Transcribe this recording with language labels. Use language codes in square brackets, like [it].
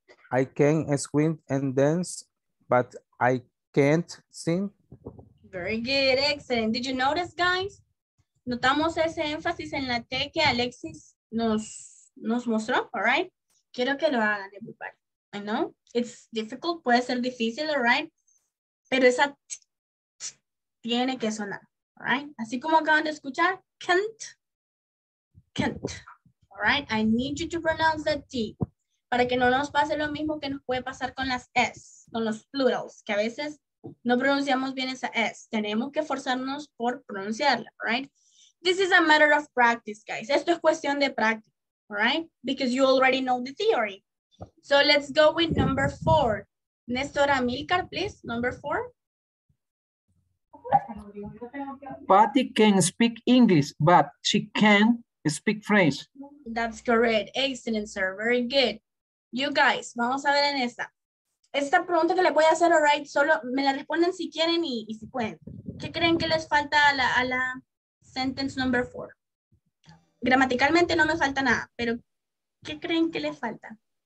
[en] I can swim and dance, but I can't sing. Very good, excellent. Did you notice, guys? [es] Notamos ese énfasis en la T que Alexis nos mostró, [en] all right? [es] Quiero que lo hagan, [en] everybody. I know it's difficult, [es] puede ser difícil, [en] all right? [es] Pero esa t tiene que sonar, [en] all right? [es] Así como acaban de escuchar, can't, [en] all right? I need you to pronounce that T [es] para que no nos pase lo mismo que nos puede pasar con las S, con los plurals, que a veces no pronunciamos bien esa S. Tenemos que forzarnos por pronunciarla, [en] all right? This is a matter of practice, guys. [es] Esto es cuestión de práctica, [en] all right? Because you already know the theory. So let's go with number four. Néstor Amilcar, please, number four. Patty can speak English, but she can't speak French. That's correct. Excellent, sir. Very good. You guys, [es] vamos a ver en esta. Esta pregunta que le voy a hacer, [en] all right, [es] solo me la responden si quieren y si pueden. ¿Qué creen que les falta a la sentence number four? Gramaticalmente no me falta nada, pero ¿qué creen que les falta?